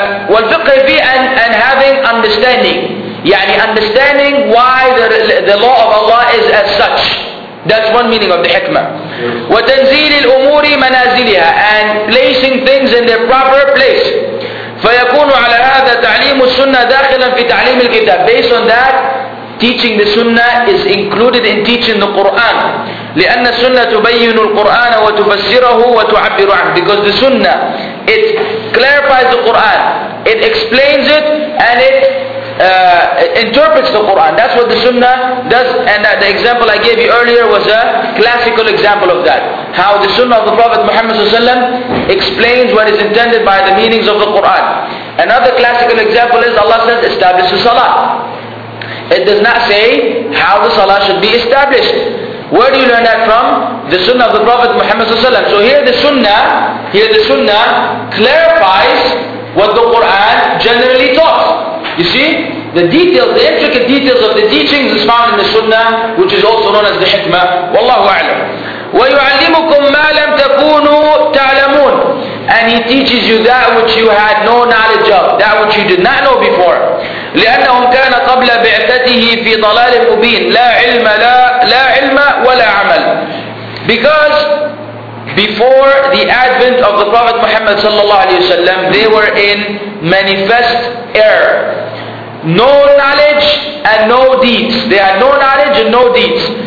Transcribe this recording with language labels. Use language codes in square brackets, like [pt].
[ar] والفقه في [en] and having understanding. يعني understanding why the law of Allah is as such. That's one meaning of the hikmah. [ar] وتنزيل الأمور منازلها [en] and placing things in their proper place. [ar] فيكون على هذا تعليم السنة داخلا في تعليم الكتاب. [en] Based on that, teaching the sunnah is included in teaching the Quran. [ar] لأن السنة تبين القرآن وتفسره وتعبر عنه. [en] Because the sunnah, it clarifies the Quran, it explains it, and it interprets the Quran. That's what the sunnah does. And the example I gave you earlier was a classical example of that. How the sunnah of the Prophet Muhammad SAW explains what is intended by the meanings of the Quran. Another classical example is Allah says, establish the salah. It does not say how the salah should be established. Where do you learn that from? The sunnah of the Prophet Muhammad SAW. So here the sunnah clarifies what the Quran generally taught. You see, the details, the intricate details of the teachings is found in the sunnah, which is also known as the hikmah. [ar] Wallahu a'lam. وَيُعَلِّمُكُمْ مَا لَمْ تَكُونُوا تَعْلَمُونَ. [en] And he teaches you that which you had no knowledge of, that which you did not know before. [ar] لأنهم كان قبل بعثته في ضلال مبين لا علم ولا عمل. [en] Because before the advent of the Prophet Muhammad sallallahu alaihi wasallam, they were in manifest error. No knowledge and no deeds. They had no knowledge and no deeds.